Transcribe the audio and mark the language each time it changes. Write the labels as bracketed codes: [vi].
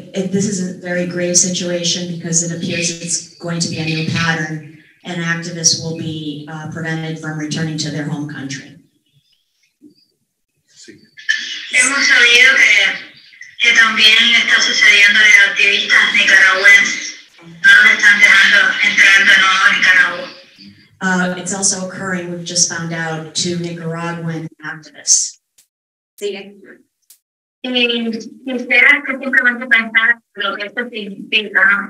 [en] This is a very grave situation because it appears it's going to be a new pattern and activists will be prevented from returning to their home country. [es] Hemos sabido que que también está sucediendo a activistas nicaragüenses. No los están dejando entrar de nuevo a Nicaragua. [en] It's also occurring, we've just found out, to Nicaraguan activists. [es] Sigue. Y quisiera que simplemente pensar lo que esto significa, ¿no?